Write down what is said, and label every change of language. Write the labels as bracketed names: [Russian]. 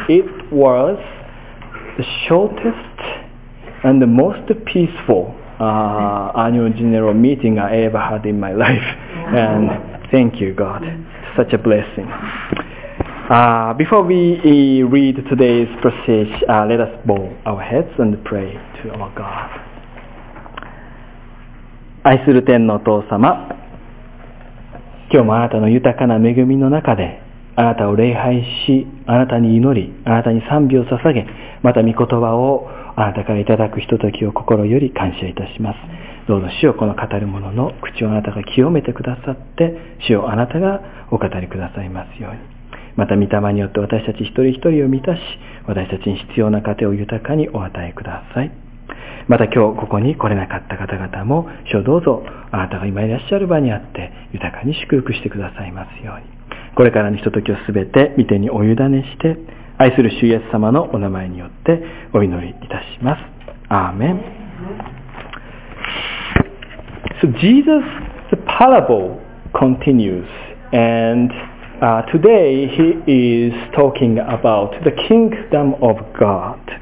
[English] It was the shortest and the most peaceful annual general meeting I ever had in my life. And thank you, God. Such a blessing. Before we read today's passage, let us bow our heads and pray to our God. [Japanese] 愛する天のお父様、今日もあなたの豊かな恵みの中で、あなたを礼拝し、あなたに祈り、あなたに賛美を捧げ、また御言葉をあなたからいただくひとときを心より感謝いたします。どうぞ主よ、この語る者の口をあなたが清めてくださって、主よ、あなたがお語りくださいますように。また御霊によって私たち一人一人を満たし、私たちに必要な糧を豊かにお与えください。また今日ここに来れなかった方々も、主よどうぞあなたが今いらっしゃる場にあって豊かに祝福してくださいますように。これからのひとときをすべて御手にお委ねして、愛する主イエス様のお名前によってお祈りいたします。アーメン。 [English] So Jesus, the parable continues andToday, he is talking about the kingdom of God.